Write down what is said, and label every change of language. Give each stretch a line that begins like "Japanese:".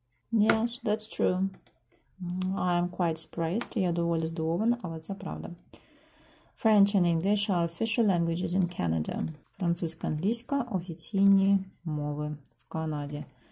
English: Yes, that's true. I am quite surprised.
Ukrainian: Я доволі здивована, але це правда.
English: French and English are official languages in Canada.
Ukrainian: Французька, англійська – офіційні мови в Канаді.